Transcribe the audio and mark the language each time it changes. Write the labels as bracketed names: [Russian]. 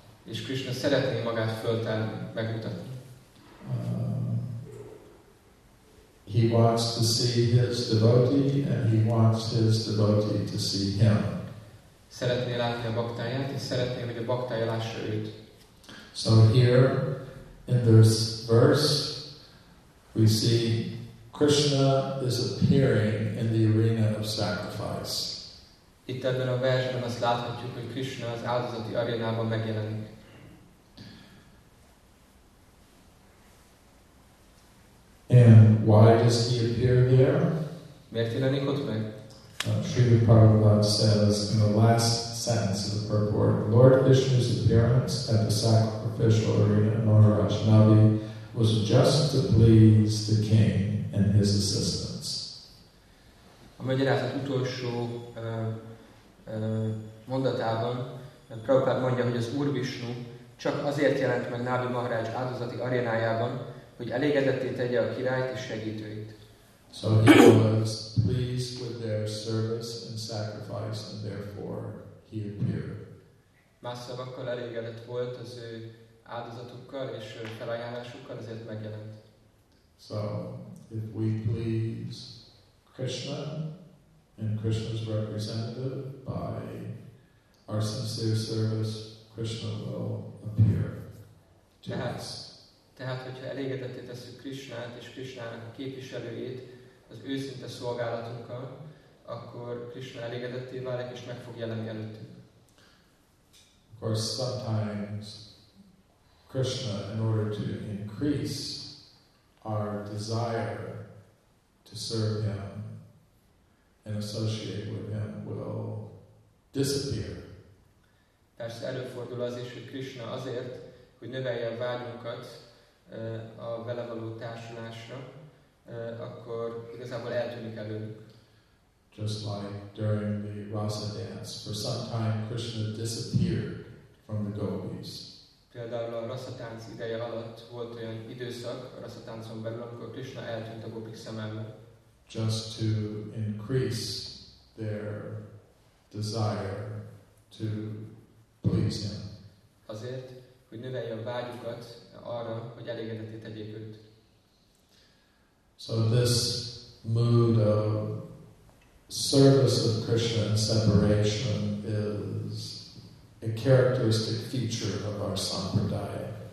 [Hungarian] És Krishna szeretné magát föltárni, megmutatni. [English] He wants to see his devotee, and he wants his devotee to see him. [Hungarian] Szeretné látni a baktáját, és szeretné, hogy a baktája lássa őt. [English] So here, in this verse, we see Krishna is appearing in the arena of sacrifice. [Hungarian] Itt ebben a versben azt láthatjuk, hogy Krishna az áldozati arénában megjelenik. [English] And why does he appear there? [Hungarian] Miért jelenik ott meg? [English] Srila Prabhupada says in the last sentence of the purport, Lord Krishna's appearance at the sacrificial arena in Maharaj Navi was just to please the king and his assistants. [Hungarian] A magyarázat utolsó mondatában Prabhupada mondja, hogy az Úr Vishnu csak azért jelent meg Navi Maharaj áldozati arénájában, hogy elégedetté tegye a királyt és segítőit. [English] So he was pleased with their service and sacrifice, and therefore he appeared. [Hungarian] Más szavakkal elégedett volt az ő áldozatukkal és felajánlásukkal, ezért megjelent. [English] So, if we please Krishna and Krishna's representative by our sincere service, Krishna will appear to us. [Hungarian] Tehát, hogyha elégedetté tesszük Krishnát és Krishnának a képviselőjét, az őszinte szolgálatunkkal, akkor Krishna elégedetté válik és meg fog jelenni előttünk. [English] Of course, sometimes Krishna, in order to increase our desire to serve him and associate with him, will disappear. [Hungarian] Persze előfordul az is, hogy Krishna azért, hogy növelje a vágyunkat a vele való társulásra, akkor igazából eltűnik előnk. [English] Just like during the Rasa dance, for some time Krishna disappeared from the gopis. [Hungarian] Például a Rasa tánc ideje alatt volt olyan időszak a Rasa táncon belül, amikor Krishna eltűnt a gopik szemében. [English] Just to increase their desire to please him. [Hungarian] Azért, hogy növelje a vágyukat arra, hogy elégedetté tegyék őt. [English] So this mood of service of Krishna and separation is a characteristic feature of our sampradaya.